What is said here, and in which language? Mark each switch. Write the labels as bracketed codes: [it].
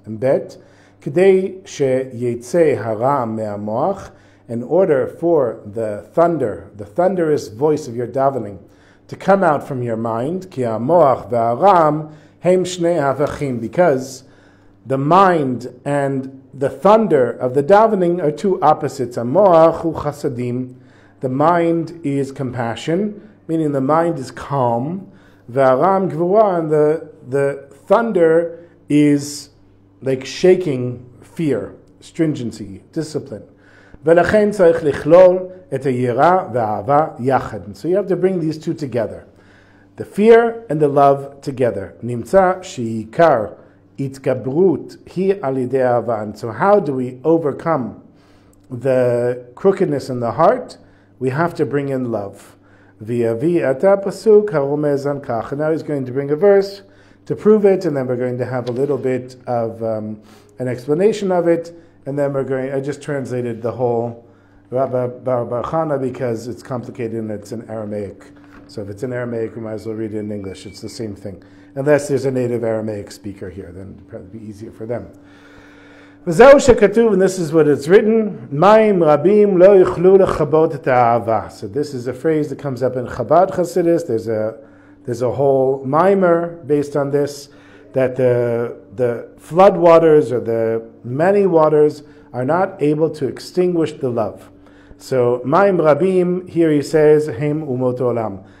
[en] And bet, [he] kedei sheyetze hara me'amoach, [en] in order for the thunderous voice of your davening, to come out from your mind, [he] ki amoach ve'aram hem shnei havachim, [en] because the mind and the thunder of the davening are two opposites. [he] Amoach hu chasadim, [en] the mind is compassion, meaning the mind is calm, [he] ve'aram gvura, [en] and the thunder is like shaking fear, stringency, discipline. [he] ולכן צריך לכלול את היראה והאהבה יחד. [en] So you have to bring these two together. The fear and the love together. [he] נמצא שעיקר התגברות היא על ידי אהבה. [en] So how do we overcome the crookedness in the heart? We have to bring in love. [he] ויביא את הפסוק הרומז על כך. [en] And now he's going to bring a verse to prove it, and then we're going to have a little bit of an explanation of it. And then we're going, I just translated the whole Rabba Barbarchana because it's complicated and it's in Aramaic. So if it's in Aramaic, we might as well read it in English. It's the same thing. Unless there's a native Aramaic speaker here, then it'd probably be easier for them. [he] וזהו שכתוב, [en] and this is what it's written, [he] מים רבים לא יוכלו לחבות את האהבה. [en] So this is a phrase that comes up in Chabad Chassidus. There's a whole mimer based on this. That the flood waters or the many waters are not able to extinguish the love. So, [he] Maim Rabim, [en] here he says, [he] Heim Umot Olam.